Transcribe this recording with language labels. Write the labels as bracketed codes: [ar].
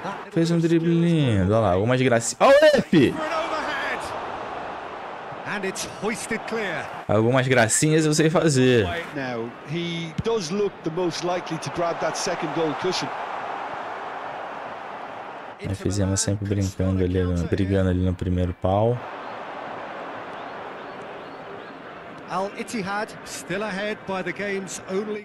[pt] Fez um drible lindo, olha lá, algumas gracinhas. Olha o F! [en] And it's hoisted clear. [pt] Algumas gracinhas eu sei fazer. [en] Now, he does look the most likely to grab that second goal cushion. [pt] Aí fizemos sempre brincando ali, brigando ali no primeiro pau. [en] Al Ittihad still ahead by the game's only.